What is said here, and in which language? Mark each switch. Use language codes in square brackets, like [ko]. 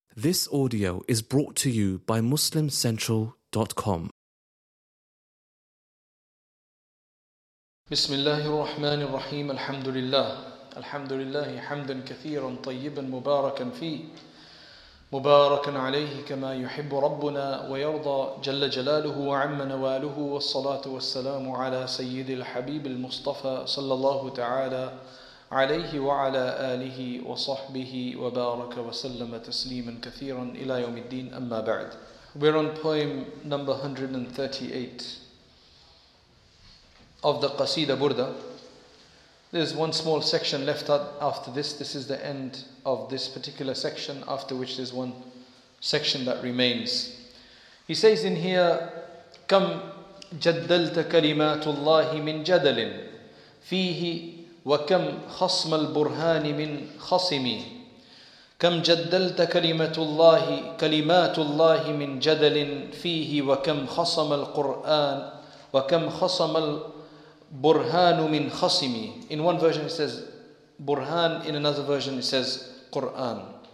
[en] This audio is brought to you by MuslimCentral.com. [ar] بسم الله الرحمن الرحيم الحمد لله الحمد لله حمدا كثيرا طيبا مباركا فيه مباركا عليه كما يحب ربنا ويرضى جل جلاله وعم نواله والصلاة والسلام على سيد الحبيب المصطفى صلى الله تعالى عليه وعلى آله وصحبه وبارك وسلم تسليما كثيرا إلى يوم الدين أما بعد. [en] We're on poem number 138 of the Qasida Burda. There's one small section left after this. This is the end of this particular section, after which there's one section that remains. He says in here, [ar] كم جدلت كلمات الله من جدل فيه وكم خصم البرهان من خصمي كم جدلت كلمات الله من جدل فيه وكم خصم القرآن وكم خصم البرهان من خصمي. [en] In one version it says Burhan, in another version it says Quran.